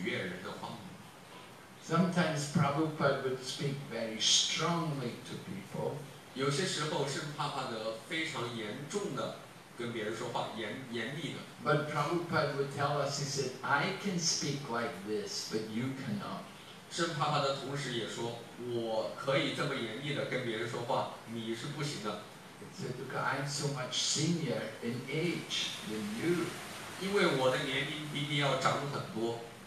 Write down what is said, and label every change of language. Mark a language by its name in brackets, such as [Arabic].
[Chinese] 所以不管怎么样，这个故事教导我们，我们如何要记住说话的时候说真话，而且说取悦人的话。 [English] Sometimes Prabhupada would speak very strongly to people. [Chinese] 有些时候，圣帕帕德非常严重的。跟别人说话, [English] but Prabhupada would tell us, he said, I can speak like this, but you cannot. [Chinese] 圣帕帕德同时也说，我可以这么严厉的跟别人说话，你是不行的。 [English] He said, look, I'm so much senior in age than you. [Chinese] 因为我的年龄比你要长很多。